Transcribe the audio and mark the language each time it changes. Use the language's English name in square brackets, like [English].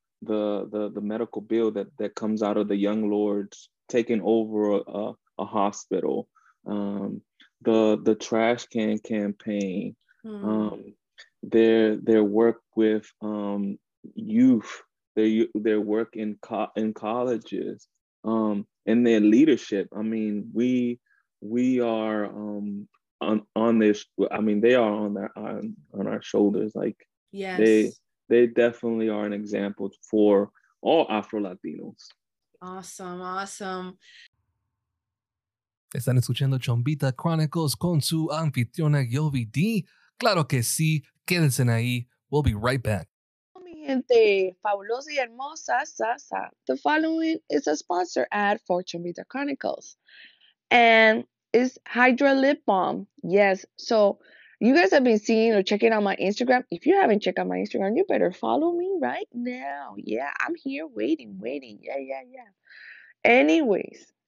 [English] the medical bill that comes out of the young lords taking over a hospital, the trash can campaign, their work with youth, their work in colleges, and their leadership. I mean, we are on this. I mean, they are on our shoulders. Like, yes, they definitely are an example for all Afro Latinos. Awesome. [Spanish] Están escuchando Chombita Chronicles con su anfitriona Yovi D. Claro que sí. Quédense ahí. [English] We'll be right back. [Spanish] Mi gente fabulosa y hermosa, Sasa. [English] The following is a sponsor ad for Chombita Chronicles. And it's Hydra Lip Balm. Yes. So you guys have been seeing or checking out my Instagram. If you haven't checked out my Instagram, you better follow me right now. Yeah, I'm here waiting. Yeah. Anyways.